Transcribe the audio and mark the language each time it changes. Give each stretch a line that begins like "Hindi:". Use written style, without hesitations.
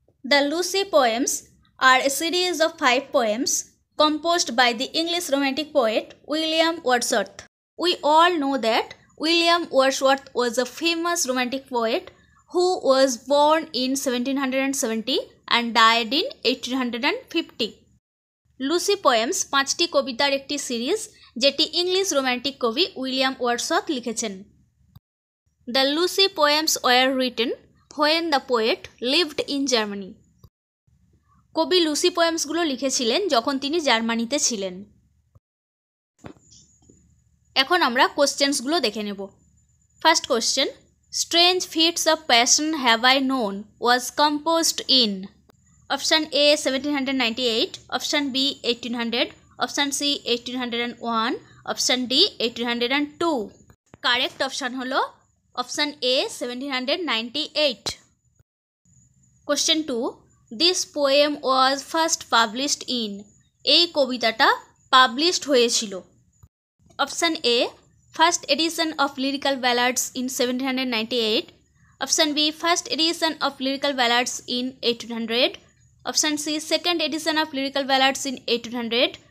English: The Lucy poems are a series of 5 poems composed by the English romantic poet William Wordsworth. We all know that William Wordsworth was a famous romantic poet who was born in 1770 and died in 1850.
Bangla: Lucy poems 5টি কবিতার একটি series যেটি English romantic কবি William Wordsworth লিখেছেন.
English: The Lucy poems were written when the poet lived in Germany.
Bangla: কবি Lucy পোয়েমসগুলো লিখেছিলেন যখন তিনি জার্মানিতে ছিলেন. এখন আমরা কোশ্চেন্সগুলো দেখে নেব.
English: First question, strange fits of passion have I known was composed in option A 1798, option B 1800, option C 1801, option D 1802.
Bangla: Correct option হলো option A 1798.
English: Question two, This poem was first published in.
Bangla: এই কবিতাটা
English: published
Bangla: হয়েছিল.
English: Option A, first edition of lyrical ballads in 1798. Option B, first edition of lyrical ballads in 1800. Option C, second edition of lyrical ballads in 1800.